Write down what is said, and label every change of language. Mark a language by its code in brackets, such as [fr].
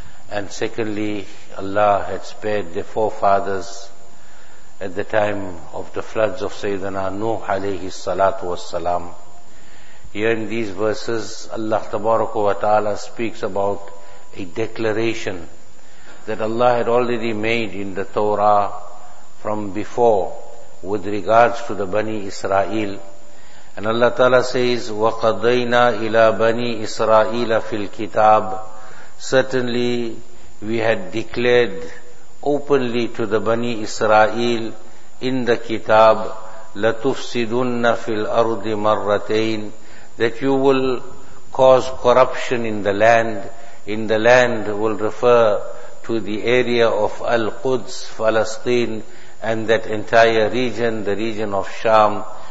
[en] And secondly, Allah had spared their forefathers at the time of the floods of Sayyidina Nuh alayhi salatu was salam. Here in these verses, Allah Tabaraka wa Ta'ala speaks about a declaration that Allah had already made in the Torah from before with regards to the Bani Israel. And Allah Ta'ala says, [ar] وَقَضَيْنَا إِلَىٰ بَنِي إِسْرَائِيلَ فِي الْكِتَابِ. [en] Certainly, we had declared openly to the Bani Israel in the Kitab, [ar] لَتُفْسِدُنَّ فِي الْأَرْضِ مَرَّتَيْنِ, [en] that you will cause corruption in the land. In the land will refer to the area of Al-Quds, Palestine, and that entire region, the region of Sham.